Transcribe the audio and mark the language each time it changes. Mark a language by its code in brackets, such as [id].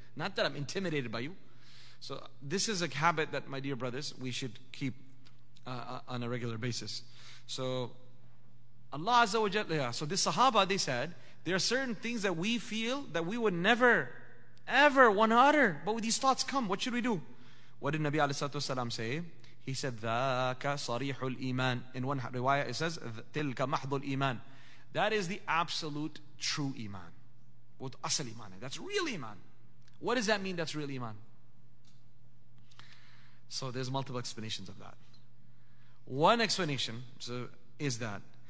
[en] Not that I'm intimidated by you. So this is a habit that, my dear brothers, we should keep on a regular basis. So Allah Azza wa Jalla, so this Sahaba, they said, there are certain things that we feel that we would never, ever want to utter, but when these thoughts come, what should we do? What did Nabi alayhi salatu wasalam say? He said, [ar] ذَاكَ صَرِيحُ الْإِيمَانِ. [en] In one riwayah it says, [ar] تِلْكَ مَحْضُ الْإِيمَانِ. [en] That is the absolute true iman. With asal iman. That's real iman. What does that mean, that's real iman? So there's multiple explanations of that. One explanation is that